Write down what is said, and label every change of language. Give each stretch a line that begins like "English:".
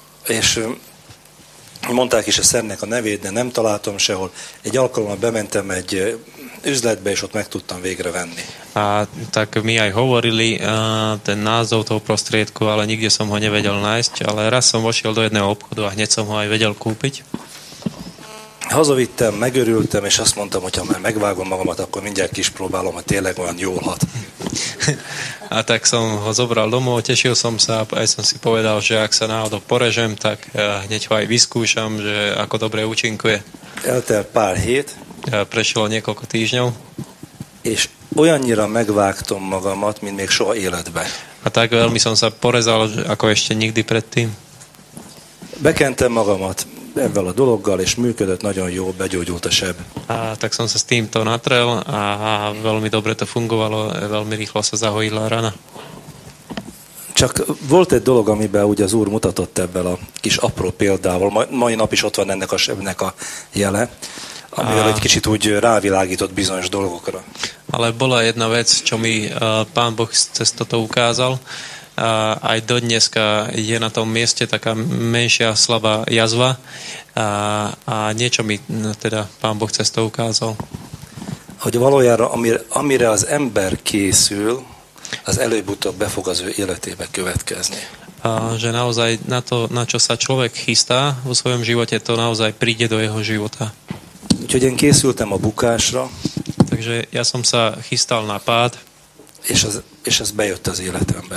Hungarian: És mondták is a szernek a nevét, de nem találtam sehol. Egy alkalommal bementem egy üzletbe, és ott meg tudtam végre venni.
Slovak: A tak mi aj hovorili ten názov toho prostriedku, ale nikde som ho nevedel nájsť, ale raz som vošiel do jedného obchodu a hneď som ho aj vedel kúpiť.
Hungarian: Hazavittem, megörültem, és azt mondtam, hogy ha már megvágom magamat, akkor mindjárt kipróbálom, hogy tényleg olyan jól hat.
Slovak: A tak som ho zobral domov, tešil som sa, aj som si povedal, že ak sa náhodou porežem, tak hneď ho aj vyskúšam, že ako dobre účinkuje.
Hungarian: Eltelt pár hét.
Slovak: Prešlo niekoľko týždňov.
Hungarian: És olyannyira megvágtam magamat, mint még soha életbe.
Slovak: A tak veľmi som sa porezal, ako ešte nikdy predtým.
Hungarian: Bekentem magamat ebből a dologgal, és működött nagyon jó, begyógyult a seb.
Slovak: A tak som sa s týmto natrel a veľmi dobre to fungovalo, veľmi rýchlo sa zahojila rana.
Hungarian: Csak volt egy dolog, amiben úgy az Úr mutatott ebből a kis apró példával, mai nap is ott van ennek a sebnek a jele, amivel egy kicsit úgy rávilágított bizonyos dolgokra.
Slovak: Ale bola jedna vec, čo mi Pán Boh cez toto ukázal, a aj dodneska je na tom mieste taká menšia, slabá jazva a niečo mi teda Pán Boh cez to ukázal.
Hungarian: Hogy valójára, amire az ember készül, az előbb-utóbb be fog az ő életébe következni.
Slovak: A že naozaj na to, na čo sa človek chystá vo svojom živote, to naozaj príde do jeho života.
Hungarian: Úgyhogy én készültem a bukásra.
Slovak: Takže ja som sa chystal na pád.
Hungarian: És az bejött az életembe.